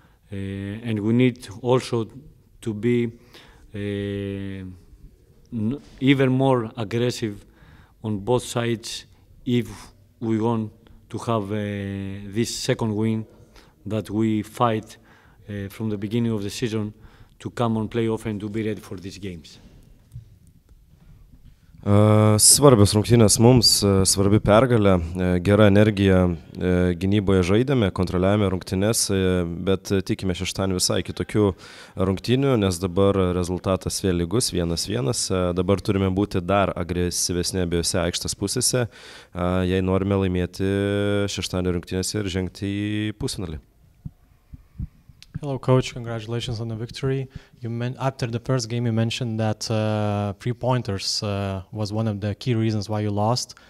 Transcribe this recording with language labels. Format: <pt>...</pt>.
<en>And we need also to be even more aggressive on both sides if we want to have this second win that we fight from the beginning of the season to come on playoff and to be ready for these games.</en> <lt>Svarbios rungtynės mums, svarbi pergalė, gera energija, gynyboje žaidėme, kontroliavome rungtynės, bet tikime šeštadienį visai kitokių rungtynių, nes dabar rezultatas vėl lygus, 1-1, dabar turime būti dar agresyvesni abiejose aikštės pusėse, jei norime laimėti šeštadienį rungtynės ir žengti į pusfinalį.</lt> <en>Hello, coach. Congratulations on the victory. After the first game, you mentioned that three-pointers was one of the key reasons why you lost.</en>